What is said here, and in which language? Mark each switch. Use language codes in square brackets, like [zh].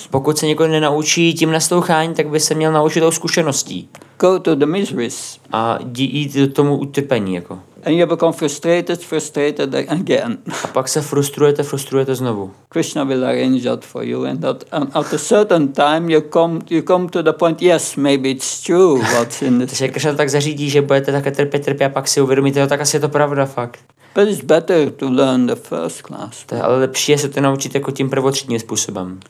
[cs] Pokud se někdo nenaučí tím nasloucháním, tak by se měl naučit zkušeností. [en] Go to the miseries. [cs] A jít do tomu utrpení jako. [en] And you become frustrated again. [cs] A pak se frustrujete znovu. [en] Krishna will arrange that for you, and that at a certain time you come to the point, yes, maybe it's true what's in this. [cs] Takže Krishna tak zařídí, že budete také trpět a pak si uvědomíte, no, tak asi je to pravda fakt. [en] But it's better to learn the first class. [cs] Ale lepší je se to naučit jako tím prvotřídním způsobem.